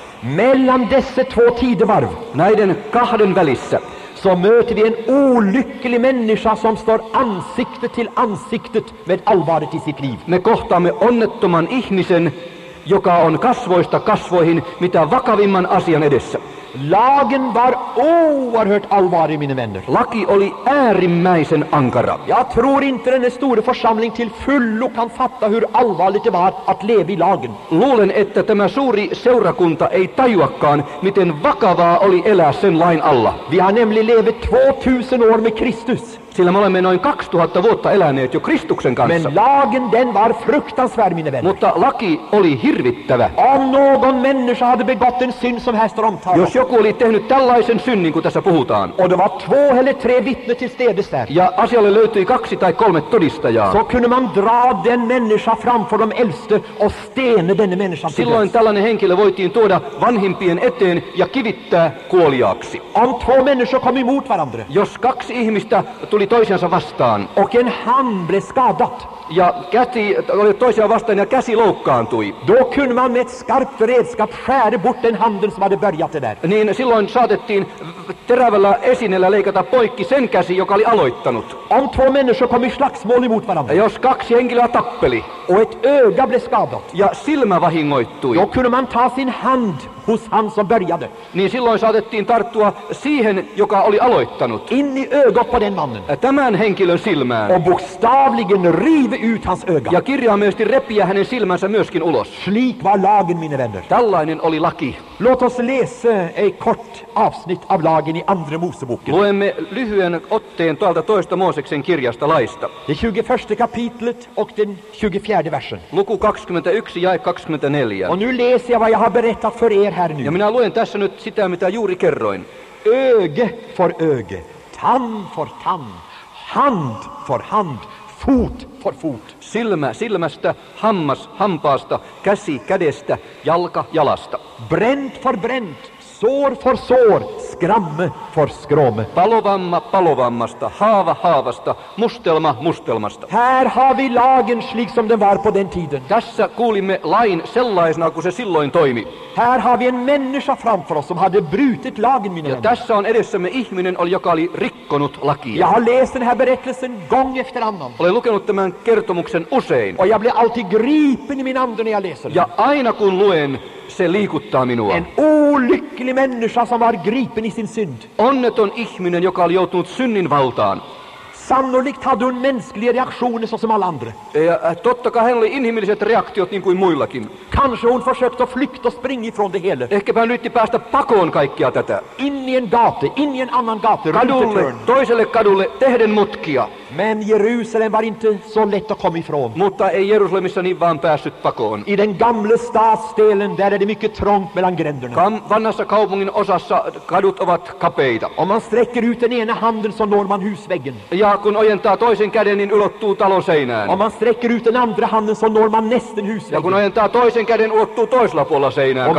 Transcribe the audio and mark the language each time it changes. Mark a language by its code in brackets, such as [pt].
[sv] Mellan dessa två tidevarv. [fi] Näiden kahden välissä. [sv] Så möter vi en olycklig människa som står ansikte till ansiktet med allvaret i sitt liv. [fi] Me kohtaamme onnettoman ihmisen, joka on kasvoista kasvoihin mitä vakavimman asian edessä. [sv] Lagen var oerhört allvarlig, mina vänner. [fi] Laki oli äärimmäisen ankara. [sv] Jag tror inte den stora församling till fullo kan fatta hur allvarligt det var att leva i lagen. [fi] Luulen, että tämä suuri seurakunta ei tajuakaan, miten vakavaa oli elää sen lain alla. [sv] Vi har nämligen levit 2000 år med Kristus. [fi] Sillä me olemme noin 2000 vuotta eläneet jo Kristuksen kanssa. [sv] Men lagen den var fruktansvärd, mina vänner. [fi] Mutta laki oli hirvittävä. [sv] Om någon människa hade begått en synd som här står omtalat. [fi] Jos joku oli tehnyt tällaisen synnin, kun tässä puhutaan. [sv] Och det var två eller tre vittne till stedes där. [fi] Ja asialle löytyi kaksi tai kolme todistajaa. [sv] Så kunde man dra den människa framför de äldste och stene denne människan. [fi] Silloin tällainen henkilö voitiin tuoda vanhimpien eteen ja kivittää kuoliaaksi. [sv] Om två människor kom emot varandra. [fi] Jos kaksi ihmistä tuli toisiansa vastaan. [sv] Och en hand blev skadad. [fi] Ja käsi oli toisiaan vastaan ja käsi loukkaantui. [sv] Då kunde man med ett skarpt redskap skära bort den handen som hade börjat det där. [fi] Niin silloin saatettiin terävällä esineellä leikata poikki sen käsi, joka oli aloittanut. [sv] Om två människor kom i slagsmål emot varandra. [fi] Jos kaksi henkilöä tappeli. [sv] Och ett öga blev skadat. [fi] Ja silmä vahingoittui. [sv] Då kunde man ta sin hand hos han som började. [fi] Niin silloin saatettiin tarttua siihen, joka oli aloittanut. [sv] In i ögat på den mannen. [fi] Tämän henkilön silmään. [sv] Och bokstavligen rive ut hans öga. [fi] Ja kirjaimellisesti repiä hänen silmänsä myöskin ulos. [sv] Slik var lagen, mina vänner. [fi] Tällainen oli laki. [sv] Låt oss läsa ett kort avsnitt av lagen i andra Moseboken. [fi] Luemme lyhyen otteen tuolta toista Mooseksen kirjasta laista. [sv] Det 21 kapitlet och den 24 versen. [fi] Luku 21 ja 24. [sv] Och nu läser jag vad jag har berättat för er här nu. [fi] Ja minä luen tässä nyt sitä, mitä juuri kerroin. [sv] Öge för öge, tand för tand, hand för hand, fot för fot. [fi] Silmä silmästä, hammas hampaasta, käsi kädestä, jalka jalasta. [sv] Bränt för bränt, sår för sår, skramme för skramme. [fi] Palovamma palovammasta, haava haavasta, mustelma mustelmasta. [sv] Här har vi lagen slik som den var på den tiden. [fi] Tässä kuulimme lain sellaisena, kun se silloin toimi. [sv] Här har vi en människa framför oss som hade brutit lagen, mina vänner. [fi] Ja tässä on edessämme ihminen, joka oli rikkonut lakia. [sv] Jag har läst den här berättelsen gång efter annan. [fi] Olen lukenut tämän kertomuksen usein. [sv] Och jag blir alltid gripen i min ande när jag läser den. [fi] Ja aina kun luen, se liikuttaa minua. [sv] En olycklig människa som var gripen i sin synd. [fi] Onneton ihminen, joka oli joutunut synnin valtaan. [sv] Sannolikt hade hon mänskliga reaktioner som alla andra. [fi] Totta kai hänellä inhimilliset reaktiot niin kuin muillakin. [sv] Kanske hon försökte flykta och springa ifrån det hela. [fi] Ehkäpä hän yritti päästä pakoon kaikkia tätä. [sv] In i en gate, in i en annan gate. [fi] Kadulle, toiselle kadulle, tehden mutkia. [sv] Men Jerusalem var inte så lätt att komma ifrån. [fi] Mutta ei Jerusalemissa niin vaan päässyt pakoon. [sv] I den gamla stadsdelen där är det mycket trångt mellan gränderna. [fi] Vanhassa kaupungin osassa kadut ovat kapeita. [sv] Om man sträcker ut den ena handen så når man husväggen. [fi] Ja kun ojentaa toisen käden niin ulottuu talon seinään. [sv] Om man sträcker ut den andra handen så når man nästan husväggen. [fi] Ja kun ojentaa toisen käden ulottuu toisella puolella seinään